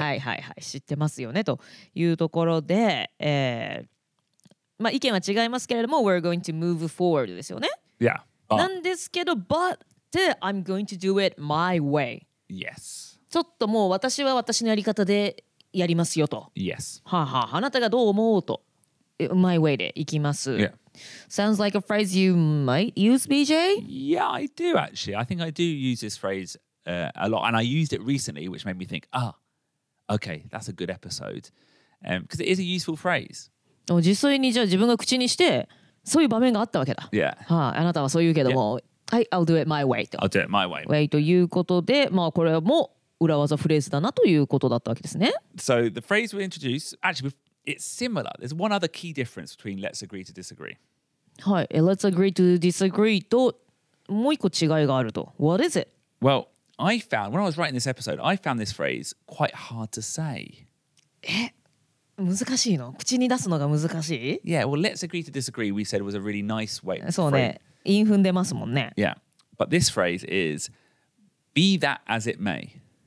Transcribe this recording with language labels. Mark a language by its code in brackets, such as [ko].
[ja] はいはいはい、知ってますよねというところで、まあ意見は違いますけれども、 [en] we're going to move forward [ja] ですよね。 [en] Yeah. [ja] なんですけど、 [en] but I'm going to do it my way. Yes. [ja] ちょっともう私は私のやり方でやりますよと。 [en] Yes. [ja] はあ、はあ、あなたがどう思うと、 [en] my way [ja] で行きます。 [en] Yeah. Sounds like a phrase you might use, BJ? Yeah, I do actually. I think I do use this phrase. A lot, and I used it recently, which made me think, okay, that's a good episode, because it is a useful phrase. [ja] 実際にじゃあ自分が口にしてそういう場面があったわけだ。 [en] Yeah. [ja] はあ、あなたはそう言うけども、はい、 [en] I'll do it my way. I'll do it my way. [ja] Way ということで、まあこれも裏技フレーズだなということだったわけですね。 [en] So the phrase we introduce, actually, it's similar. There's one other key difference between let's agree to disagree. [ja] はい、 [en] let's agree to disagree [ja] ともう一個違いがあると。 [en] What is it? Well. I found, when I was writing this episode, I found this phrase quite hard to say. [ja] え難しいの口に出すのが難しい [en] Yeah, well, let's agree to disagree, we said, was a really nice way. [ja] そうね。韻踏んでますもんね。 [en] Yeah. But this phrase is, be that as it may.